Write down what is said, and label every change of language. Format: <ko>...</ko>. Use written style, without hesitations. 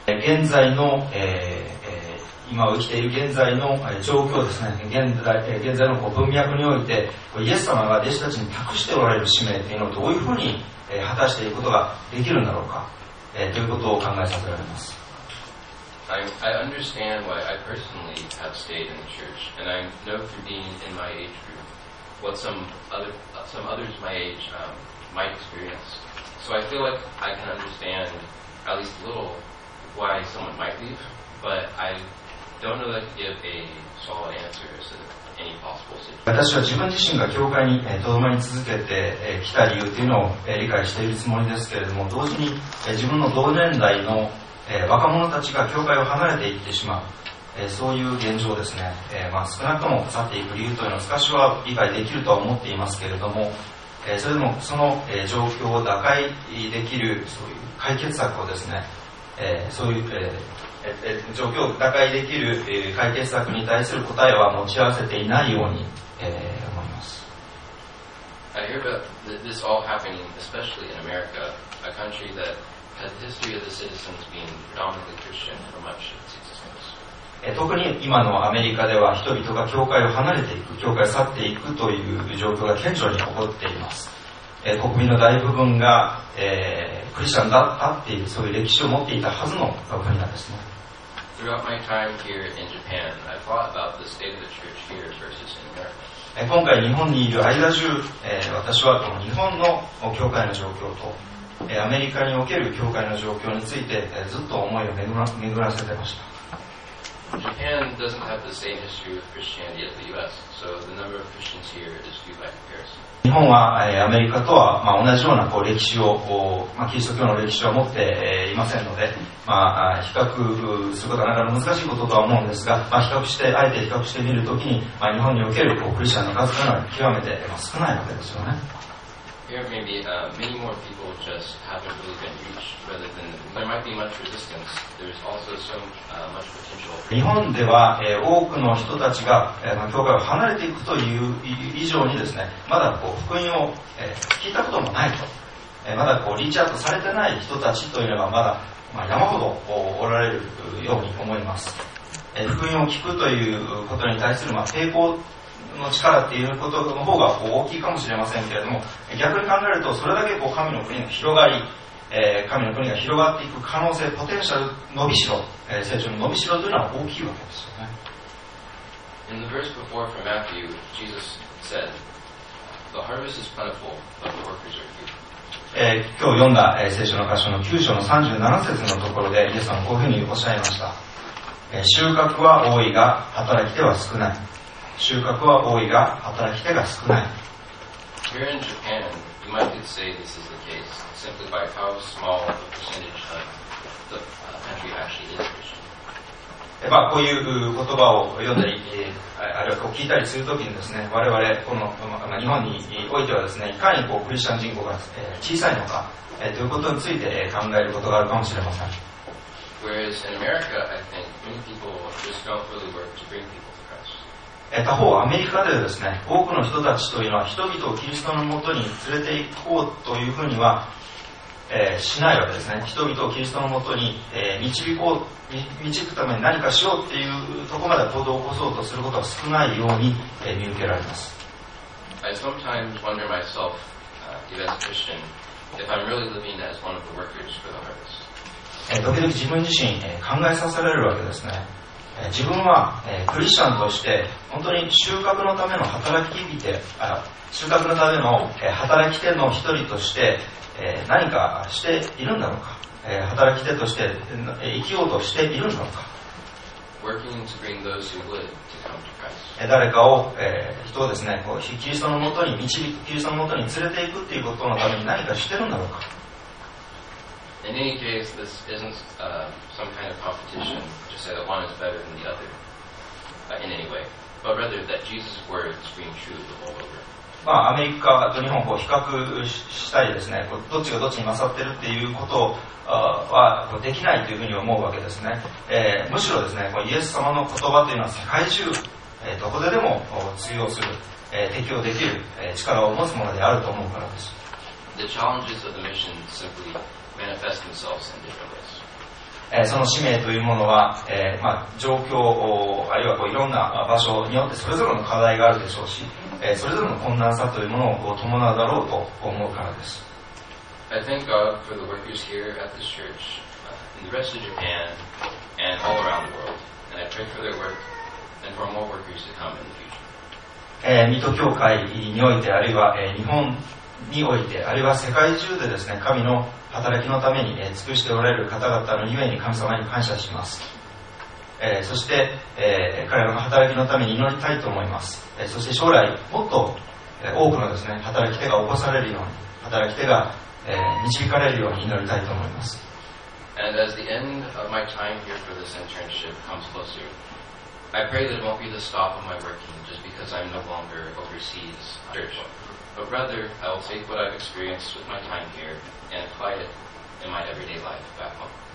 <ja>現在の、今を生きている現在の状況ですね、現在の文脈において、イエス様が弟子たちに託しておられる使命というのをどういうふうに果たしていくことができるんだろうか、ということを考えさせられます。</ja> <en>I understand why I personally have stayed in the church, and I know through being in my age group what some others my age might experience, so I feel like I can understand at least a little why someone might leave, but I don't know that I can give a solid answer as to</en> <ja>私は自分自身が教会にとどまり続けてきた理由というのを理解しているつもりですけれども、同時に自分の同年代の若者たちが教会を離れていってしまう、そういう現状ですね、まあ、少なくとも去っていく理由というのは少しは理解できるとは思っていますけれども、それでもその状況を打開できるそういう解決策をですね、そういう状況を打開できる解決策に対する答えは持ち合わせていないように、思います。</ja> <en>I hear about this all happening especially in America, a country that had the history of the citizens being predominantly Christian for much of its existence.</en> <ja>特に今のアメリカでは人々が教会を離れていく、教会を去っていくという状況が顕著に起こっています。国民の大部分が、クリスチャンだったっていうそういう歴史を持っていたはずの国なんですね。</ja> <en>Throughout my time here in Japan, I thought about the state of the church here versus in America.</en> <ja>今回日本にいる間中、私はこの日本の教会の状況と、アメリカにおける教会の状況について、ずっと思いを巡らせてました。</ja> <en>Japan doesn't have the same history with Christianity as the U.S., so the number of Christians here is few by comparison.</en> <ja>日本は、アメリカとは、まあ、同じようなこう歴史をこう、まあ、キリスト教の歴史を持って、いませんので、まあ、比較することはなかなか難しいこととは思うんですが、まあ、比較してあえて比較してみるときに、まあ、日本におけるこうクリスチャンの数というのは極めて、まあ、少ないわけですよね。</ja> <en>Here maybe many more people just haven't really been reached rather than there might be much resistance. There's also so much potential.</en> <ja>日本では、多くの人たちが、教会を離れていくという以上にですね、まだこう福音を、聞いたこともないと、まだこうリーチアウトされてない人たちというのがまだ、まあ、山ほどこうおられるように思います。福音を聞くということに対する、まあ、抵抗の力っていうことの方が大きいかもしれませんけれども、逆に考えるとそれだけこう神の国の広がり、神の国が広がっていく可能性、ポテンシャル、伸びしろ、成長の伸びしろというのは大きいわけですよね。</ja> <en>In the verse before from Matthew, Jesus said, "The harvest is plentiful, but the workers are few."</en> <ja>今日読んだ、聖書の箇所の9章の37節のところでイエスさんはこういうふうにおっしゃいました。収穫は多いが働き手は少ない。収穫は多いが働き手が少ない。</ja> <en>Here in Japan, you might could say this is the case simply by how small the percentage of the country actually is Christian.</en> <ja>まあこういう言葉を読んだり、あるいはこう聞いたりするときにですね、我々この、まあ、日本においてはですね、いかにこうクリスチャン人口が小さいのか、ということについて考えることがあるかもしれません。</ja> <en>Whereas in America, I think many people just don't really work to bring people.</en> <ja>他方アメリカではですね、多くの人たちというのは人々をキリストのもとに連れて行こうというふうには、しないわけですね。人々をキリストのもとに、導くために何かしようというところまで行動を起こそうとすることは少ないように、見受けられます。</ja> <en>I sometimes wonder myself, even as a Christian, if I'm really living as one of the workers for the harvest.</en> <ja>時々自分自身、考えさせられるわけですね。自分は、クリスチャンとして本当に収穫のための働き手、収穫のための、働き手の一人として、何かしているんだろうか、働き手として、生きようとしているんだろうか。</ja> <en>Working to bring those who would to come to Christ.</en> <ja>誰かを、人をですね、こうキリストのもとに導く、キリストのもとに連れていくということのために何かしているんだろうか。</ja> <en>In any case, this isn't some kind of competition to say that one is better than the other in any way, but rather that Jesus' words ring true the whole over.</en> <ja>まあアメリカと日本を比較したりですね、どっちがどっちに勝ってるっていうことはできないというふうに思うわけですね。むしろですね、イエス様の言葉というのは世界中どこででも通用する、適用できる力を持つものであると思うからです。</ja> <en>The challenges of the mission simply. Manifest themselves in different ways.</en> <ja>その使命というものは、まあ、状況をあるいはこういろんな場所によってそれぞれの課題があるでしょうし、それぞれの困難さというものを伴うだろうと思うからです。</ja> <en>I thank God for the workers here at this church, in the rest of Japan, and all around the world. And I pray for their work and for more workers to come in the future.</en> <ja>水戸教会においてあるいは、日本においてあるいは世界中でですね、神の働きのために、尽くしておられる方々のゆえに神様に感謝します。そして、彼らの働きのために祈りたいと思います。そして将来もっと、多くのですね、働き手が起こされるように、働き手が、導かれるように祈りたいと思います。</ja> <en>And as the end of my time here for this internship comes closer, I pray that it won't be the stop of my working just because I'm no longer overseas church, but rather I will take what I've experienced with my time here and apply it in my everyday life back home.</en>